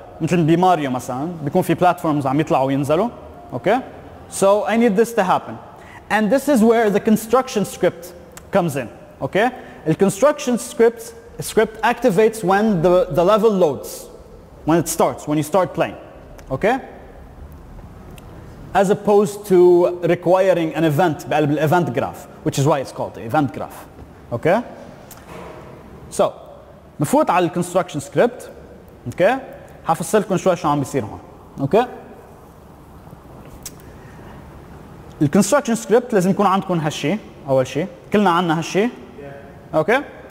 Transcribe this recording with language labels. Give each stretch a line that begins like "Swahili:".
Arabic: مثل بماريو مثلا بيكون في بلاتفورمز عم يطلعوا وينزلوا.
English: اوكي سو اي نيد ذس تو هابن اند ذس از وير ذا كونستراكشن سكريبت كمز ان. اوكي الكونستراكشن سكريبت اكتيفيتس وين ذا ليفل لودز when it starts, when you start playing, okay? As opposed to requiring an event, event graph, which is why it's called the event graph, okay? So,
Arabic: مفوت على
English: construction script, okay?
Arabic: حفصل لكم شوي شو عم بيصير هون, okay?
English: The construction script
Arabic: لازم يكون عندكم هالشي, أول شي, كلنا عندنا هالشي, okay?